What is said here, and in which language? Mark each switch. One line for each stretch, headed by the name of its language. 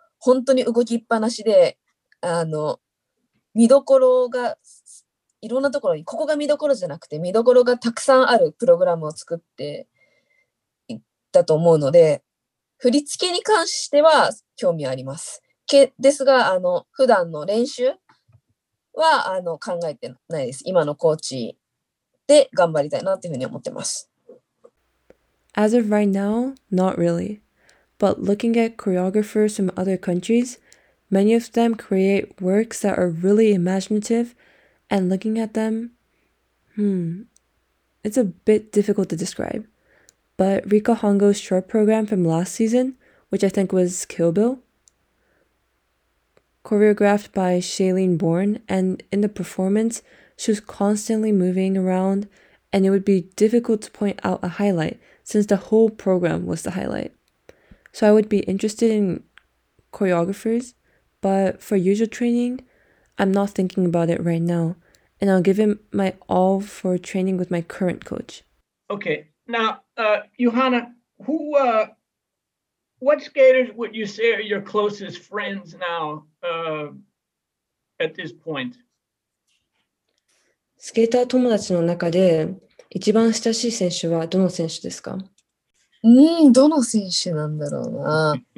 Japanese: 本当に動きっぱなしで、あの見どころがいろんなところに、ここが見どころじゃなくて見どころがたくさんあるプログラムを作っていったと思うので、振り付けに関しては興味あります。ですが、あの普段の練習はあの考えてないです。今のコーチで頑張りたいなというふうに思ってます。
English: As of right now, not really. But looking at choreographers from other countries, many of them create works that are really imaginative, and looking at them, it's a bit difficult to describe. But Rika Hongo's short program from last season, which I think was Kill Bill, choreographed by Shailene Bourne, and in the performance, she was constantly moving around, and it would be difficult to point out a highlight since the whole program was the highlight. So I would be interested in choreographers, but for usual training, I'm not thinking about it right now, and I'll give it my all for training with my current coach. Okay, now, Johanna, what skaters would you say are your closest friends now at this point?
Japanese: スケーター友達の中で一番親しい選手はどの選手ですか？どの選手なんだろうな。